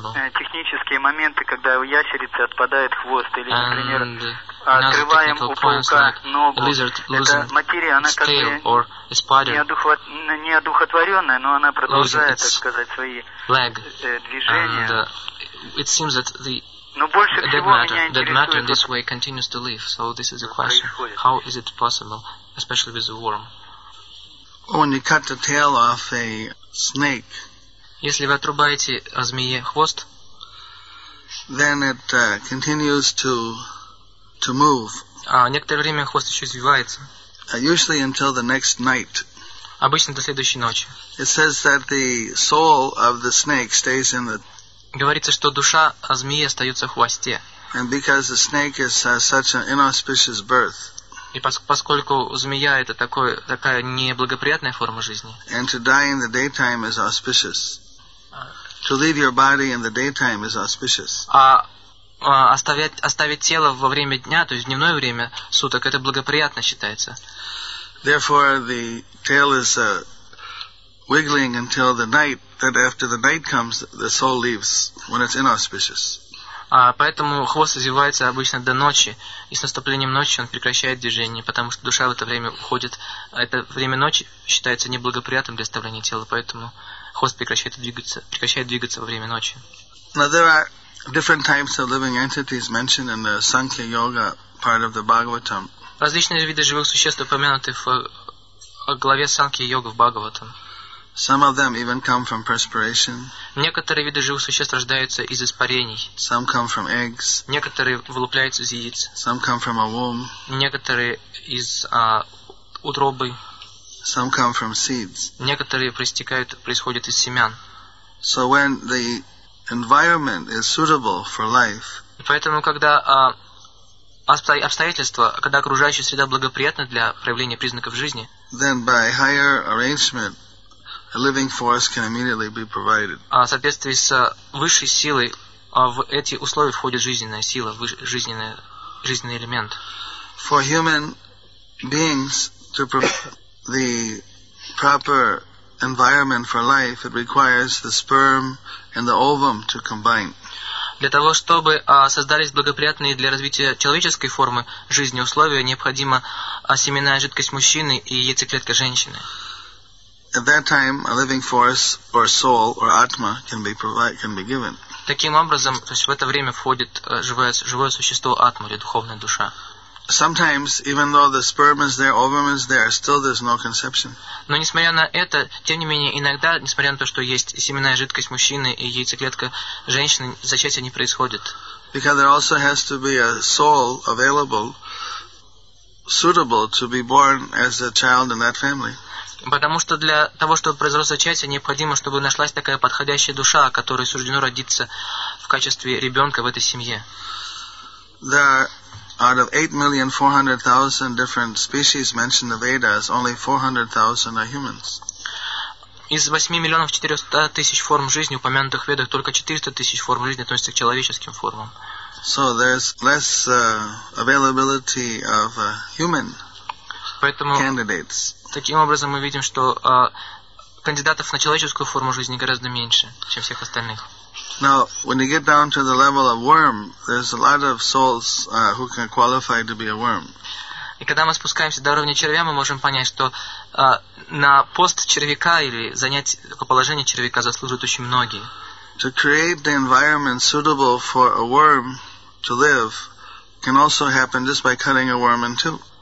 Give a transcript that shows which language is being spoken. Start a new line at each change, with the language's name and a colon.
Russian: вот технические моменты, когда у ящерицы отпадает хвост, или, например, отрываем у паука ногу, это материя, она как бы не одухотворенная, но она продолжает, так сказать, свои движения.
English: It seems that the
Russian: но больше
English: dead
Russian: всего
English: matter,
Russian: меня интересует,
English: dead matter in this way continues to live. So this is the question.
Russian: Происходит.
English: How is it possible, especially with the worm? When you cut the tail off a snake,
Russian: если вы отрубаете змее хвост,
English: then it continues to move.
Russian: Некоторое время хвост еще извивается.
English: Usually until the next night.
Russian: Обычно до следующей ночи.
English: It says that the soul of the snake stays in the.
Russian: Говорится, что душа змеи остается в хвосте.
English: And because the snake is such an inauspicious birth.
Russian: И поскольку змея это такая неблагоприятная форма жизни.
English: And to die in the daytime is auspicious. To leave your body in the daytime is auspicious.
Russian: Оставить тело во время дня, то есть в дневное время суток, это благоприятно считается.
English: Therefore, the tail is wiggling until the night. That after the night comes, the soul leaves when it's inauspicious.
Russian: Поэтому хвост извивается обычно до ночи, и с наступлением ночи он прекращает движение, потому что душа в это время уходит. Это время ночи считается неблагоприятным для оставления тела, поэтому хвост прекращает двигаться во время ночи.
English: Now there are different types of living entities mentioned in the Sankhya Yoga part of the Bhagavatam.
Russian: Различные виды живых существ упомянуты в главе Sankhya Yoga в Бхагаватам.
English: Some of them even come from perspiration.
Russian: Некоторые виды живых существ рождаются из испарений.
English: Some come from eggs.
Russian: Некоторые вылупляются из яиц.
English: Some come from a womb.
Russian: Некоторые из утробы.
English: Some come from seeds.
Russian: Некоторые происходят из семян.
English: So when the environment is suitable for life.
Russian: Поэтому когда обстоятельства, когда окружающая среда благоприятна для проявления признаков жизни.
English: Then by higher arrangement. A living force can immediately be provided.
Russian: В соответствии с высшей силой, в эти условия входит жизненная сила, жизненный элемент.
English: For human beings, the proper environment for life, it requires the sperm and the ovum to combine.
Russian: Для того, чтобы создались благоприятные для развития человеческой формы жизни условия, необходима семенная жидкость мужчины и яйцеклетка женщины.
English: At that time, a living force or soul or atma can be given.
Russian: Таким образом, то есть в это время входит живое существо атма или духовная душа.
English: Sometimes, even though the sperm is there, ovum is there, still there's no conception.
Russian: Но несмотря на это, тем не менее, иногда, несмотря на то, что есть семенная жидкость мужчины и яйцеклетка женщины, зачатие не происходит.
English: Because there also has to be a soul available, suitable to be born as a child in that family.
Russian: Потому что для того, чтобы произрасти зачатие, необходимо, чтобы нашлась такая подходящая душа, которой суждено родиться в качестве ребенка в этой семье.
English: Out of 8,400,000 different species mentioned in the Vedas, only 400,000 are humans.
Russian: Из 8,400,000 форм жизни, упомянутых в Ведах, только 400,000 форм жизни относятся к человеческим формам.
English: So there's less availability of human
Russian: Поэтому,
English: candidates.
Russian: Таким образом, мы видим, что кандидатов на человеческую форму жизни гораздо меньше, чем всех остальных.
English: Now, when you get down to the level of worm, there's a lot of souls who can qualify to be a worm.
Russian: И когда мы спускаемся до уровня червя, мы можем понять, что на пост червяка или занять положение червяка заслуживают очень многие.
English: To create the environment suitable for a worm to live can also happen just by cutting a worm in two.